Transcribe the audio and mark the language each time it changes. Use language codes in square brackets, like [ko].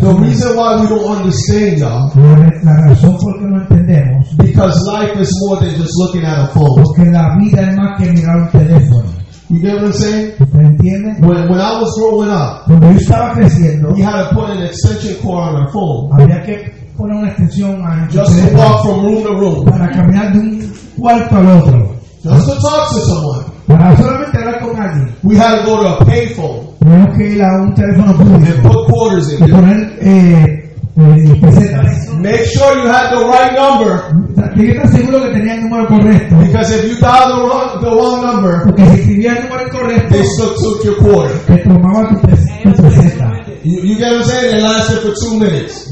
[en] the reason why we don't understand, y'all, [es] la razón por qué no entendemos, [en] because life is more than just looking at a phone. [es] Porque la vida es más que mirar un teléfono. [en] You get what I'm saying? When I was growing up, [es] cuando yo estaba creciendo, [en] we had to put an extension cord on our phone. [es] Había que [en] Just to walk from room to room. [es] Para caminar de un cuarto al otro. [en] Just to talk to someone. [es] Para solamente hablar con alguien. [en] We had to go to a payphone. [es] Tenemos que ir a un teléfono público. [en] And put quarters in [es] y poner, pesetas. [en] Make sure you had the right number. [es] Tienes que estar seguro que tenía el número correcto. [en] Because if you dialed the wrong number, [es] porque si escribía el número incorrecto, [en] they still took your quarter. [es] Te tomaba tu peseta. [en] You get what I'm saying? It lasted for 2 minutes.